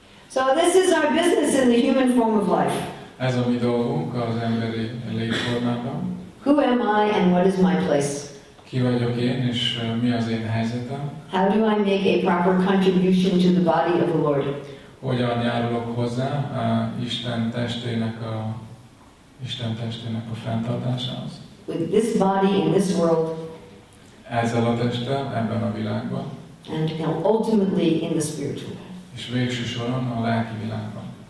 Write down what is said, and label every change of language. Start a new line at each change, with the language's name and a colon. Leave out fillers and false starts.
English: So this is our business in the human form of life.
Hungarian: Ez a mi dolgunk az emberi létformában.
English: Who am I and what is my place?
Hungarian: Ki vagyok én és mi az én helyzetem?
English: How do I make a proper contribution to the body of the Lord?
Hungarian: Hogyan járulok hozzá Isten testének a fenntartásához?
English: With this body in this world.
Hungarian: Ezzel a testtel ebben a világban.
English: And ultimately in the spiritual.
Hungarian: És végső soron a lelki világban.